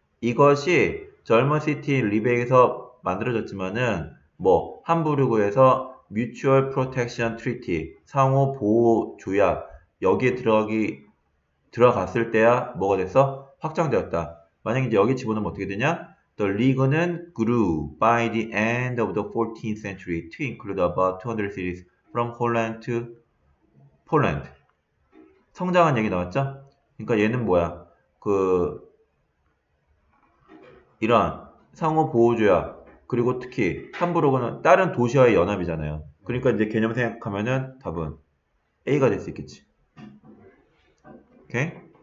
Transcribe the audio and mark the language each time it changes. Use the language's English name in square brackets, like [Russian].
[Korean] 이것이 젊은 시티 리베에서 만들어졌지만은 뭐 함부르크에서 뮤추얼 프로텍션 트리티, 상호 보호 조약 여기에 들어갔을 때야 뭐가 됐어? 확정되었다. 만약에 이제 여기 집어넣으면 어떻게 되냐? [English] The League는 grew by the end of the 14th century to include about 200 cities from Holland to Poland. [Korean] 성장한 얘기 나왔죠? 그러니까 얘는 뭐야? 그 이런 상호 보호조약 그리고 특히 함부르크는 다른 도시와의 연합이잖아요. 그러니까 이제 개념 생각하면은 답은 A가 될 수 있겠지. 오케이?